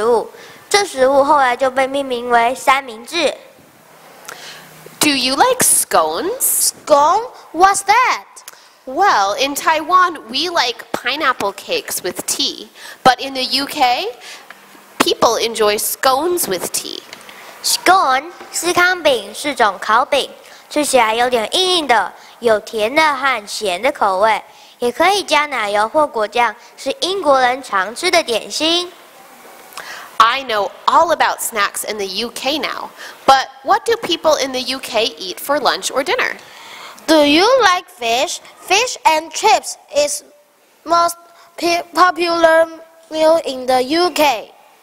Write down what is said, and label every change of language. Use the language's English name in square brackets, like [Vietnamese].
[Chinese] 三明治的命名是来自18世纪一位叫三明治的伯爵。三明治伯爵非常喜欢玩桥牌，伯爵夫人为了方便他先生在玩桥牌时容易进食，特地发明出了由三片面包夹着肉、蔬菜等不会弄脏手的这种食物。这食物后来就被命名为三明治。 [English] Do you like scones? Scone? What's that? Well, in Taiwan, we like pineapple cakes with tea. But in the UK, people enjoy scones with tea. [Chinese] Scone, 司康饼是种烤饼，吃起来有点硬硬的，有甜的和咸的口味，也可以加奶油或果酱，是英国人常吃的点心。 [English] I know all about snacks in the UK now, but what do people in the UK eat for lunch or dinner? Do you like fish? Fish and chips is most popular meal in the UK.